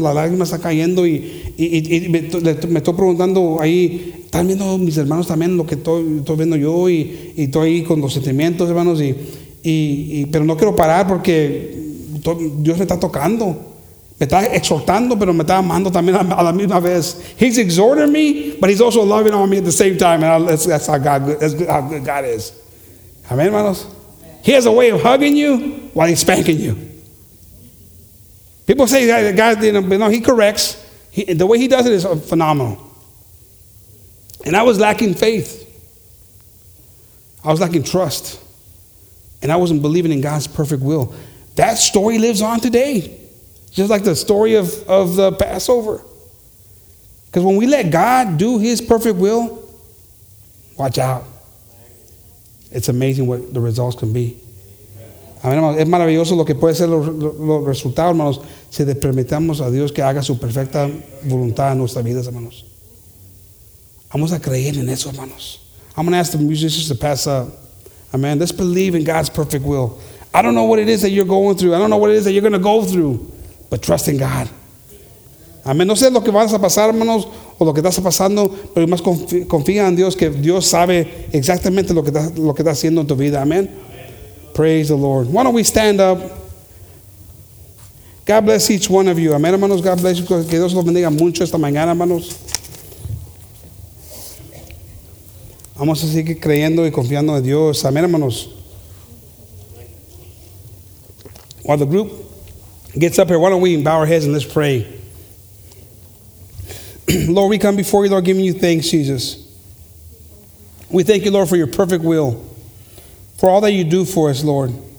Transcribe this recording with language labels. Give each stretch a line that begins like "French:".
Spanish: La lágrima está cayendo. Y me estoy preguntando ahí. ¿Están viendo mis hermanos también lo que estoy viendo yo? Y estoy ahí con los sentimientos, hermanos. Pero no quiero parar porque Dios me está tocando. Me está exhortando, pero me está amando también a la misma vez.
English: He's exhorting me, but he's also loving on me at the same time. And that's how good God is. Amen, hermanos. He has a way of hugging you while he's spanking you. People say that God, you know, he corrects. The way he does it is phenomenal. And I was lacking faith. I was lacking trust. And I wasn't believing in God's perfect will. That story lives on today. Just like the story of the Passover. Because when we let God do his perfect will, watch out. It's amazing what the results can be.
Spanish: Es maravilloso lo que puede ser los resultados, hermanos, si le permitamos a Dios que haga su perfecta voluntad en nuestras vidas, hermanos. Vamos a creer en eso, hermanos.
English: I'm going to ask the musicians to pass up. Amen. Let's believe in God's perfect will. I don't know what it is that you're going through. I don't know what it is that you're going to go through. But trust in God. Amén.
Spanish: No sé lo que vas a pasar, hermanos, o lo que estás pasando, pero más confía en Dios, que Dios sabe exactamente lo que está haciendo en tu vida.
English: Amén. Praise the Lord. Why don't we stand up? God bless each one of you.
Spanish: Amén, hermanos.
English: God bless you.
Spanish: Que Dios los bendiga mucho esta mañana, hermanos. Vamos a seguir creyendo y confiando en Dios. Amén, hermanos.
English: While the group gets up here, why don't we bow our heads and let's pray. Lord, we come before you, Lord, giving you thanks, Jesus. We thank you, Lord, for your perfect will, for all that you do for us, Lord.